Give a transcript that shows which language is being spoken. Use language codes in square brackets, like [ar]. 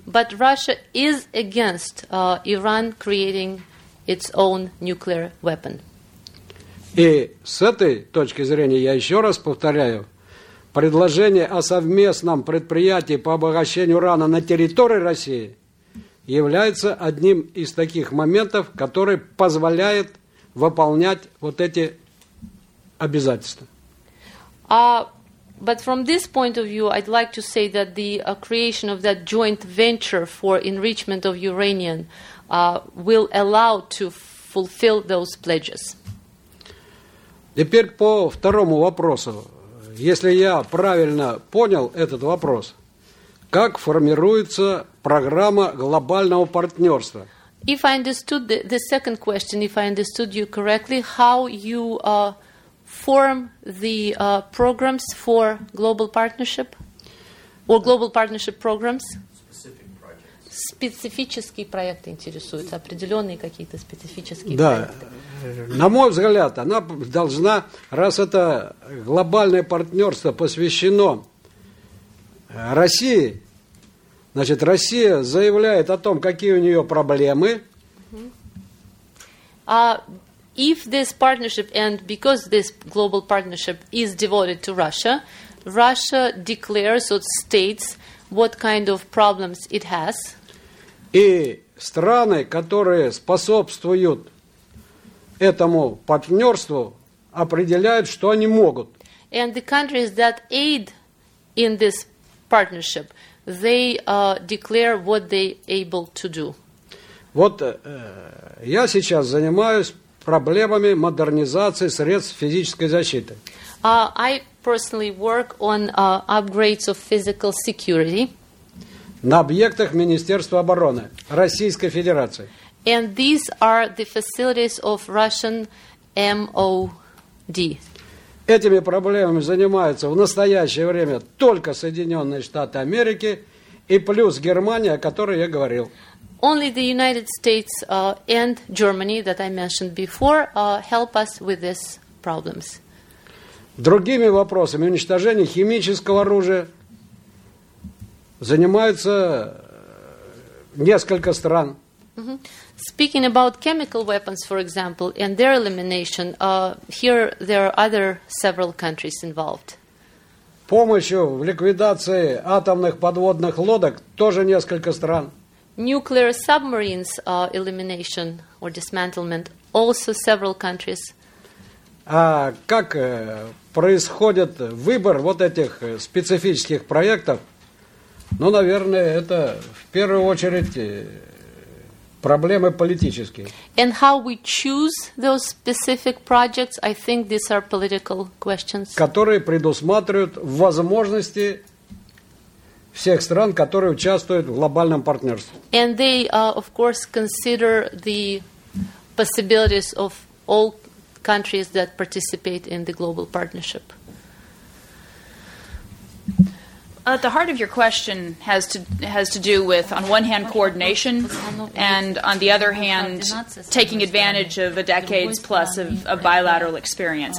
[en] But Russia is against Iran creating its own nuclear weapon. [ru] И с этой точки зрения я еще раз повторяю, предложение о совместном предприятии по обогащению урана на территории России является одним из таких моментов, который позволяет выполнять вот эти обязательства. [en] But from this point of view, I'd like to say that the creation of that joint venture for enrichment of uranium will allow to fulfill those pledges. [ru] Теперь по второму вопросу. Если я правильно понял этот вопрос, как формируется программа глобального партнерства? [en] If I understood the second question, if I understood you correctly, how you form the programs for global partnership or global partnership programs? [ru] Специфические проекты интересуются, определенные какие-то специфические да. проекты. На мой взгляд, она должна, раз это глобальное партнерство посвящено России, значит, Россия заявляет о том, какие у нее проблемы. [en] If this partnership, and because this global partnership is devoted to Russia, Russia declares or states what kind of problems it has. [ru] И страны, которые способствуют этому партнерству, определяют, что они могут. [en] And the countries that aid in this partnership, they declare what they able to do. [ru] Вот я сейчас занимаюсь проблемами модернизации средств физической защиты. [en] I personally work on upgrades of physical security. [ru] На объектах Министерства обороны Российской Федерации. [en] And these are the facilities of Russian MOD. [ru] Этими проблемами занимаются в настоящее время только Соединенные Штаты Америки и плюс Германия, о которой я говорил. [en] Only the United States and Germany that I mentioned before help us with these problems. [ru] Другими вопросами уничтожения химического оружия занимаются несколько стран. [en] Speaking about chemical weapons, for example, and their elimination, here there are other several countries involved. [ru] Помощью в ликвидации атомных подводных лодок тоже несколько стран. [en] Nuclear submarines elimination or dismantlement also several countries. [ru] А как происходит выбор вот этих специфических проектов? Ну, наверное, это в первую очередь проблемы политические. [en] And how we choose those specific projects, I think these are political questions. [ru] Которые предусматривают возможности всех стран, которые участвуют в глобальном партнерстве. [en] And they, of course, consider the possibilities of all countries that participate in the global partnership. At the heart of your question has to do with, on one hand, coordination, and on the other hand, taking advantage of a decade's plus of a bilateral experience.